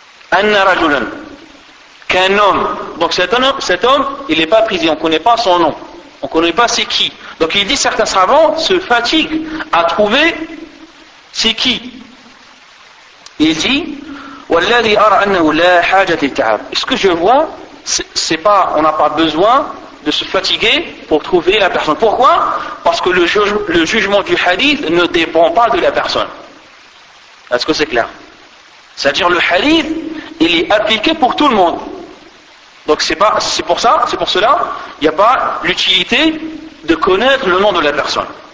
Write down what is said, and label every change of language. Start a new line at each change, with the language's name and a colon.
Arabic: Anna rajulan.
French: Qu'un homme. Donc, cet homme, il n'est pas précisé. On ne connaît pas son nom. On ne connaît pas c'est qui. Donc, il dit que certains savants se fatiguent à trouver c'est qui. Il dit.
Arabic: والذي أرى أنه لا حاجة للتعب.
French: Ce que je vois, c'est pas, on n'a pas besoin de se fatiguer pour trouver la personne. Pourquoi? Parce que le jugement du hadith ne dépend pas de la personne. Est-ce que c'est clair? C'est-à-dire le hadith, il est appliqué pour tout le monde. Donc c'est pour cela, il n'y a pas l'utilité de connaître le nom de la personne.